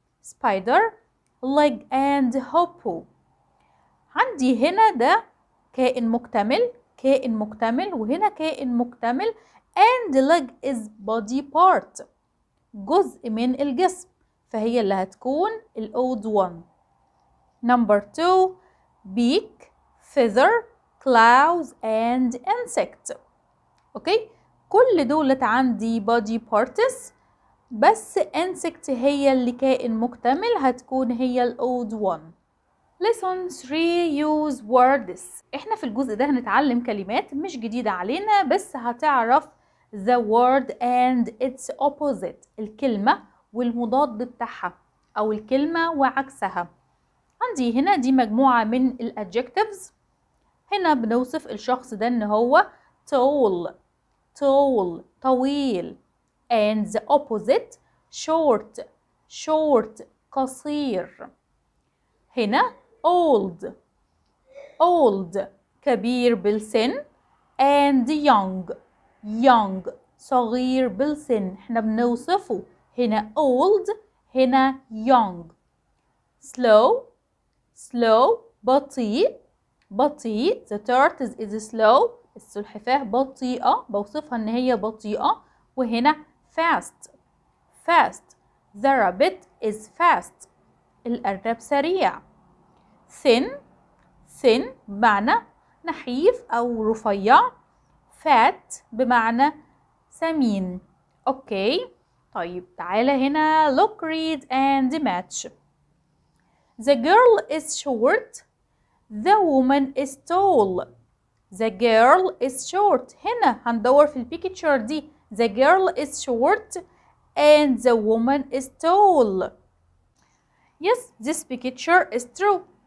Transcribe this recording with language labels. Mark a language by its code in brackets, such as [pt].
[en] spider, leg and hoopoe. [ar] عندي هنا ده كائن مكتمل، كائن مكتمل، وهنا كائن مكتمل. [en] And leg is body part، [ar] جزء من الجسم، فهي اللي هتكون الأود [en] one. Number two, beak, feather, claws and insect. [ar] أوكي، كل دولت عندي body parts، بس insect هي اللي كائن مكتمل، هتكون هي الأود one. [en] Lesson 3 use words. [ar] احنا في الجزء ده هنتعلم كلمات مش جديدة علينا، بس هتعرف [en] the word and its opposite، [ar] الكلمة والمضاد بتاعها او الكلمة وعكسها. عندي هنا دي مجموعة من الadjectives، هنا بنوصف الشخص ده ان هو [en] tall، tall، [ar] طويل. [en] and the opposite short، short، [ar] قصير. [en] هنا old، old، [ar] كبير بالسن. [en] and young، young، [ar] صغير بالسن. احنا بنوصفه هنا old، هنا young. [en] slow، slow، [ar] بطيء، بطيء. [en] the tortoise is slow، [ar] السلحفاة بطيئة، بوصفها ان هي بطيئة. وهنا [en] fast، fast، the rabbit is fast، [ar] الأرنب سريع. [en] thin، thin، [ar] بمعنى نحيف او رفيع. [en] fat [ar] بمعنى سمين. اوكي، طيب تعالى هنا [en] look read and match. the girl is short، the woman is tall. the girl is short، [ar] هنا هندور في البيكتشر دي، [en] the girl is short and the woman is tall. yes، this picture is true.